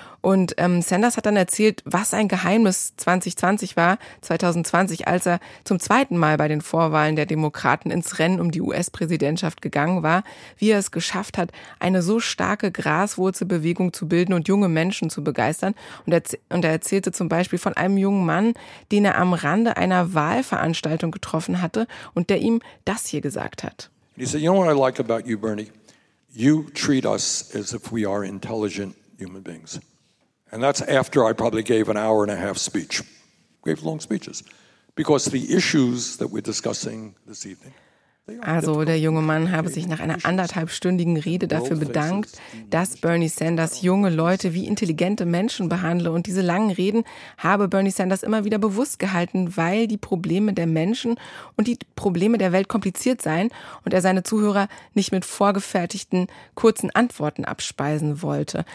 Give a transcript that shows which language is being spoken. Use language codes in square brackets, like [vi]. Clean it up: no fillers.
[de] Und Sanders hat dann erzählt, was sein Geheimnis 2020 war, als er zum zweiten Mal bei den Vorwahlen der Demokraten ins Rennen um die US-Präsidentschaft gegangen war, wie er es geschafft hat, eine so starke Graswurzelbewegung zu bilden und junge Menschen zu begeistern. Und er erzählte zum Beispiel von einem jungen Mann, den er am Rande einer Wahlveranstaltung getroffen hatte und der ihm das hier gesagt hat. [en] He said, you know what I like about you, Bernie? You treat us as if we are intelligent human beings. And that's after I probably gave an hour and a half speech. Gave long speeches. Because the issues that we're discussing this evening. [de] Also der junge Mann habe sich nach einer 1,5-stündigen Rede dafür bedankt, dass Bernie Sanders junge Leute wie intelligente Menschen behandle. Und diese langen Reden habe Bernie Sanders immer wieder bewusst gehalten, weil die Probleme der Menschen und die Probleme der Welt kompliziert seien und er seine Zuhörer nicht mit vorgefertigten kurzen Antworten abspeisen wollte.